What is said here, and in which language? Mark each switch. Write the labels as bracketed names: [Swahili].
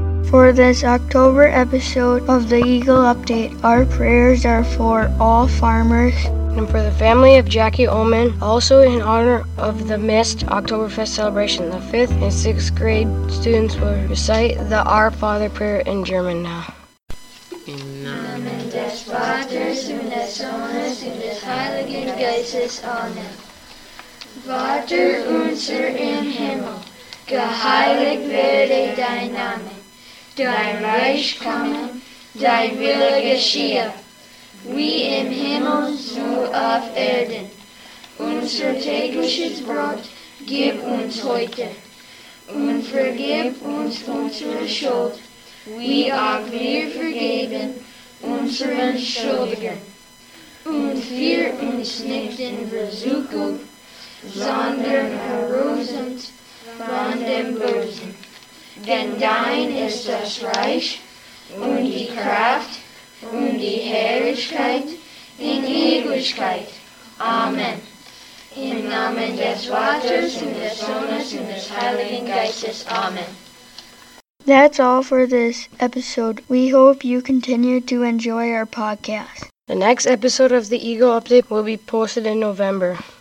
[English] For this October episode of the Eagle Update, our prayers are for all farmers. And for the family of Jackie Ullman, also in honor of the missed Oktoberfest celebration, the 5th and 6th grade students will recite the Our Father prayer in German now. [German] Amen. Des Vaters und des Sohnes und des Heiligen Geistes. Amen. Vater unser im Himmel, geheiligt werde dein Name. Dein Reich komme, dein Wille geschehe. Wie im Himmel, so auf Erden. Unser tägliches Brot gib uns heute. Und vergib uns unsere Schuld. Wie auch wir vergeben unseren Schuldigen. Und führ uns nicht in Versuchung, sondern erlös uns von dem Bösen. Denn dein ist das Reich und die Kraft und die Herrlichkeit in Ewigkeit. Amen. Im Namen des Vaters und des Sohnes und des Heiligen Geistes. Amen. [English] That's all for this episode. We hope you continue to enjoy our podcast. The next episode of the Eagle Update will be posted in November.